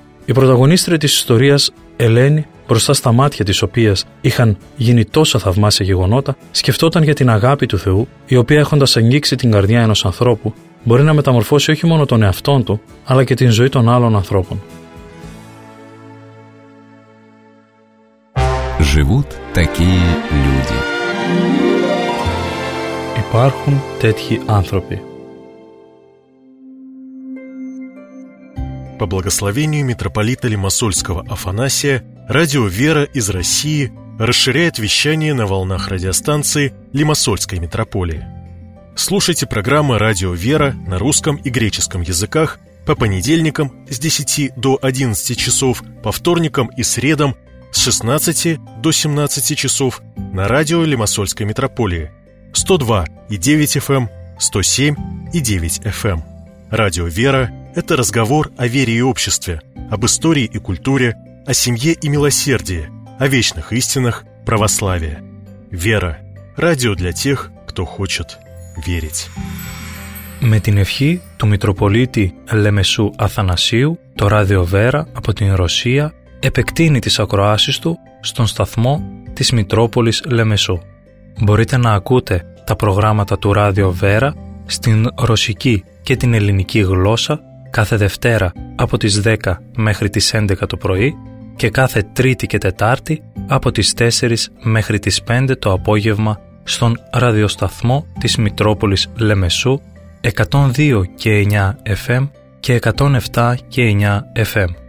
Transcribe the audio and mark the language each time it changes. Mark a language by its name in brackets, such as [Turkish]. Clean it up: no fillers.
[Greek] Η πρωταγωνίστρια της ιστορίας, Ελένη, μπροστά στα μάτια της οποίας είχαν γίνει τόσα θαυμάσια γεγονότα, σκεφτόταν για την αγάπη του Θεού, η οποία έχοντας αγγίξει την καρδιά ενός ανθρώπου, μπορεί να μεταμορφώσει όχι μόνο τον εαυτόν του, αλλά και την ζωή των άλλων ανθρώπων. [Russian] Живут такие люди. [Greek] Υπάρχουν τέτοιοι άνθρωποι. [Russian] По благословению митрополита Лимассольского Афанасия, радио «Вера» из России расширяет вещание на волнах радиостанции Лимассольской митрополии. Слушайте программы «Радио «Вера» на русском и греческом языках по понедельникам с 10 до 11 часов, по вторникам и средам с 16 до 17 часов на радио Лимассольской митрополии 102.9 FM, 107.9 FM. Радио «Вера» – это разговор о вере и обществе, об истории и культуре, о семье и милосердии, о вечных истинах православия. «Вера» – радио для тех, кто хочет верить. [Greek] Με την ευχή του Μητροπολίτη Λεμεσού Αθανασίου, το Ράδιο Βέρα από την Ρωσία επεκτείνει τις ακροάσεις του στον σταθμό της Μητρόπολης Λεμεσού. Μπορείτε να ακούτε τα προγράμματα του Ράδιο Βέρα στην ρωσική και την ελληνική γλώσσα κάθε Δευτέρα από τις 10 μέχρι τις 11 το πρωί και κάθε Τρίτη και Τετάρτη από τις 4 μέχρι τις 5 το απόγευμα στον ραδιοσταθμό της Μητρόπολης Λεμεσού 102 και 9 FM και 107 και 9 FM.